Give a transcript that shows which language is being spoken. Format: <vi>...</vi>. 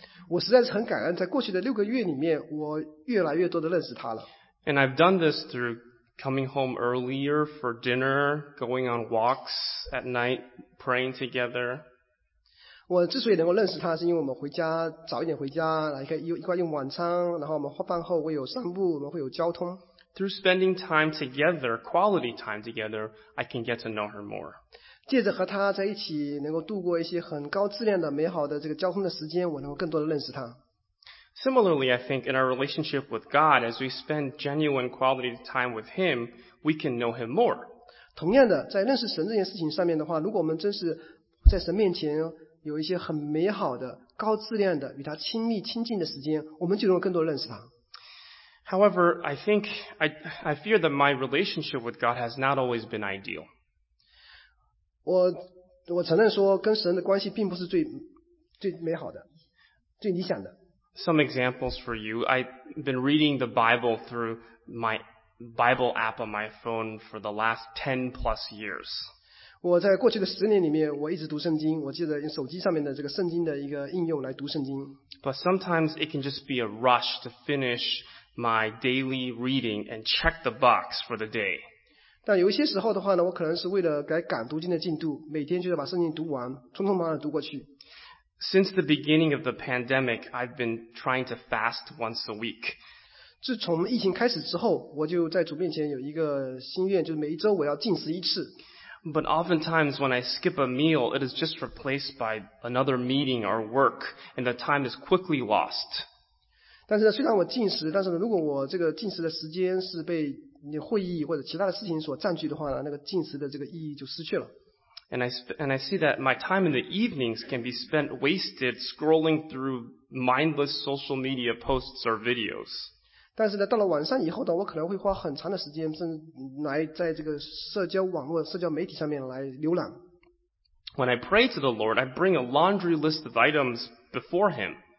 <zh>我实在是很感恩，在过去的六个月里面，我越来越多的认识她了。</zh> <en>And I've done this through coming home earlier for dinner, going on walks at night, praying together.</en> <zh>我之所以能够认识她，是因为我们回家早一点回家，然后一块用晚餐，然后我们饭后会有散步，我们会有交通。</zh> <en>Through spending time together, quality time together, I can get to know her more.</en> <zh>借着和她在一起能够度过一些很高质量的美好的这个交通的时间，我能够更多的认识她。</zh> <en>Similarly, I think in our relationship with God, as we spend genuine quality time with Him, we can know Him more.</en> <zh>同样的，在认识神这件事情上面的话，如果我们真是在神面前有一些很美好的、高质量的与他亲密亲近的时间，我们就能够更多的认识他。</zh> <en>However, I think, I fear that my relationship with God has not always been ideal.</en> <zh>我承认说跟神的关系并不是最美好的，最理想的。</zh> <en>Some examples for you. I've been reading the Bible through my Bible app on my phone for the last 10 plus years.</en> <zh>我在过去的十年里面，我一直读圣经，我记得用手机上面的这个圣经的一个应用来读圣经。</zh> <en>But sometimes it can just be a rush to finish my daily reading and check the box for the day.</en> <zh>但有一些时候的话呢，我可能是为了来赶读经的进度，每天就要把圣经读完，匆匆忙忙地读过去。</zh> <en>Since the beginning of the pandemic, I've been trying to fast once a week.</en> <zh>自从疫情开始之后，我就在主面前有一个心愿，就是每一周我要禁食一次。</zh> <en>But oftentimes when I skip a meal, it is just replaced by another meeting or work, and the time is quickly lost.</en> <zh>但是呢，虽然我禁食，但是呢，如果我这个禁食的时间是被你会议或者其他的事情所占据的话呢，那个禁食的这个意义就失去了。</zh> <en>And I see that my time in the evenings can be spent wasted scrolling through mindless social media posts or videos.</en> <zh>但是呢，到了晚上以后呢，我可能会花很长的时间，甚至来在这个社交网络、社交媒体上面来浏览。</zh> <en>When I pray to the Lord, I bring a laundry list of items before Him.</en>